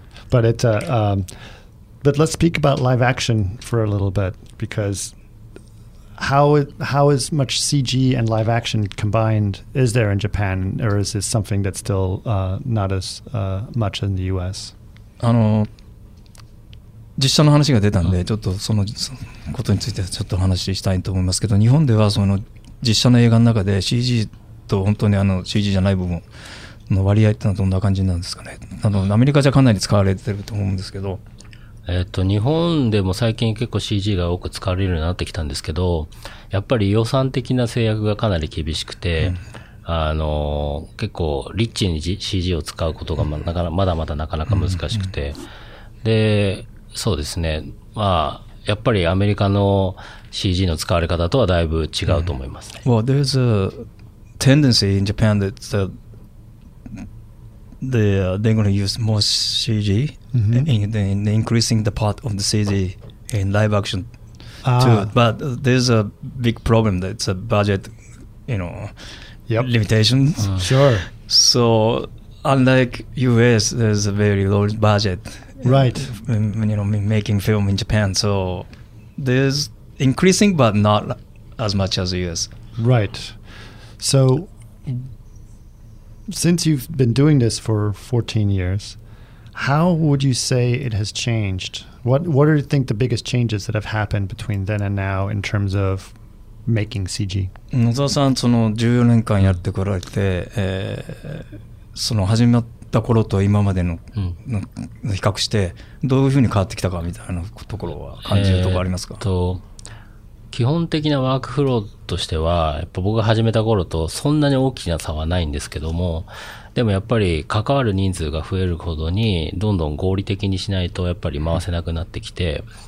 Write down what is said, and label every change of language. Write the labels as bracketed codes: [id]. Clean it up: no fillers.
[en] But it's a, but let's speak about live action for a little bit, because how is much CG and live action combined is there in Japan, or is this something that's still not as much in the US? [ja] 実写の話が出たんで、ちょっとそのことについてちょっと話したいと思いますけど、日本ではその実写の映画の中で CG と本当にあの CG じゃない部分の割合ってのはどんな感じなんですかね。アメリカじゃかなり使われてると思うんですけど、日本でも最近結構 CG が多く使われるようになってきたんですけど、やっぱり予算的な制約がかなり厳しくて、結構リッチに CG を使うことがまだまだなかなか難しくて、でそうですね、まあやっぱりアメリカの CG の使われ方とはだいぶ違うと思いますね。 [en] Well, there's a tendency in Japan that they're going to use more CG、and increasing the part of the CG in live action too. But there's a big problem that it's a budget, you know, limitations. Sure. So unlike US, there's a very low budget. Right. You know, making film in Japan. So there's increasing, but not as much as US. Right. So... Since you've been doing this for 14 years, how would you say it has changed? What do you think the biggest changes that have happened between then and now in terms of making CG? [ja] 野沢さん、その14年間やってこられて、その始まった頃と今までの、比較して、どういうふうに変わってきたかみたいなところは感じるところありますか？基本的なワークフローとしてはやっぱ僕が始めた頃とそんなに大きな差はないんですけども、でもやっぱり関わる人数が増えるほどにどんどん合理的にしないとやっぱり回せなくなってきて、